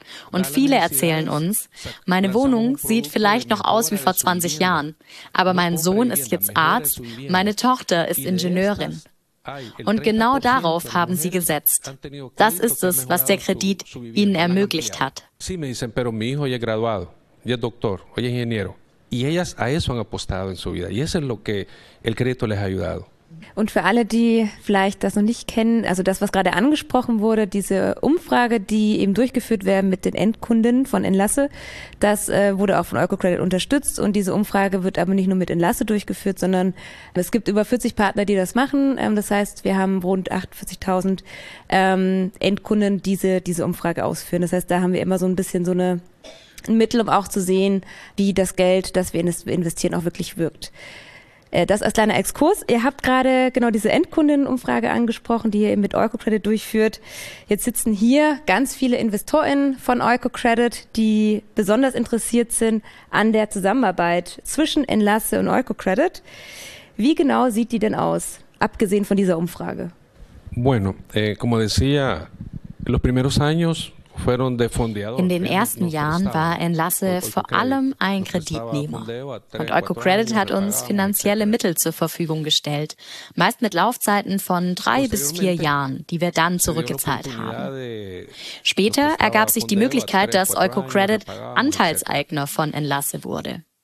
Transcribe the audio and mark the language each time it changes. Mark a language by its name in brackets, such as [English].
[German] Und viele erzählen uns: Meine Wohnung sieht vielleicht noch aus wie vor 20 Jahren, aber mein Sohn ist jetzt Arzt, meine Tochter ist Ingenieurin. Und genau darauf haben sie gesetzt. Das ist es, was der Kredit ihnen ermöglicht hat. [Spanish] Sí, me dicen, pero mi hijo ya graduado, ya doctor, ya ingeniero. Y ellas a eso han apostado en su vida. Y eso es lo que el crédito les ha ayudado. [German] Und für alle, die vielleicht das noch nicht kennen, also das, was gerade angesprochen wurde, diese Umfrage, die eben durchgeführt werden mit den Endkunden von Enlace, das wurde auch von Oikocredit unterstützt. Und diese Umfrage wird aber nicht nur mit Enlace durchgeführt, sondern es gibt über 40 Partner, die das machen. Das heißt, wir haben rund 48.000 Endkunden, die diese Umfrage ausführen. Das heißt, da haben wir immer so ein bisschen so ein Mittel, um auch zu sehen, wie das Geld, das wir investieren, auch wirklich wirkt. Das als kleiner Exkurs. Ihr habt gerade genau diese Endkundenumfrage angesprochen, die ihr mit Oikocredit durchführt. Jetzt sitzen hier ganz viele InvestorInnen von Oikocredit, die besonders interessiert sind an der Zusammenarbeit zwischen Enlace und Oikocredit. Wie genau sieht die denn aus, abgesehen von dieser Umfrage? [Spanish] Bueno, como decía, los primeros años [German] in den ersten Jahren war Enlace vor allem ein Kreditnehmer. Und Oikocredit hat uns finanzielle Mittel zur Verfügung gestellt, meist mit Laufzeiten von 3 bis 4 Jahren, die wir dann zurückgezahlt haben. Später ergab sich die Möglichkeit, dass Oikocredit Anteilseigner von Enlace wurde.